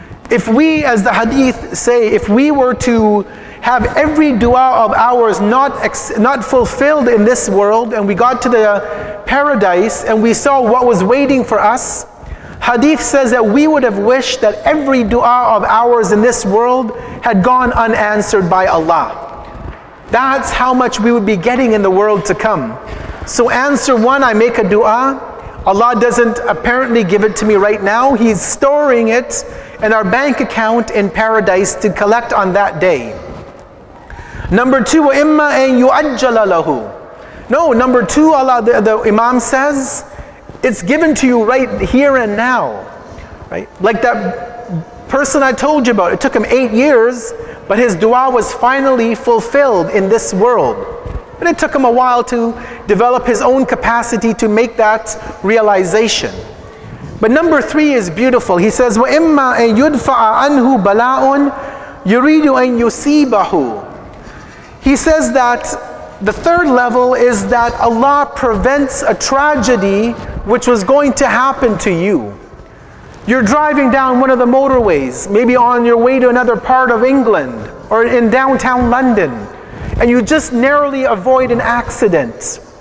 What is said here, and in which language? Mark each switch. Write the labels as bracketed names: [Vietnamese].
[English] If we, as the hadith say, if we were to have every du'a of ours not fulfilled in this world, and we got to the paradise, and we saw what was waiting for us, hadith says that we would have wished that every du'a of ours in this world had gone unanswered by Allah. That's how much we would be getting in the world to come. So answer one, I make a du'a, Allah doesn't apparently give it to me right now, He's storing it in our bank account in paradise to collect on that day. Number two, [Arabic] وَإِمَّا أَن يُعَجَّلَ لَهُ. [English] No, number two, Allah, the Imam says, it's given to you right here and now. Right? Like that person I told you about, it took him 8 years, but his dua was finally fulfilled in this world. And it took him a while to develop his own capacity to make that realization. But number three is beautiful. He says, [Arabic] وَإِمَّا أَن يُدْفَعَ عَنْهُ بَلَاءٌ يُرِيدُ أَن يُسِيبَهُ. [English] He says that the third level is that Allah prevents a tragedy which was going to happen to you. You're driving down one of the motorways, maybe on your way to another part of England or in downtown London, and you just narrowly avoid an accident.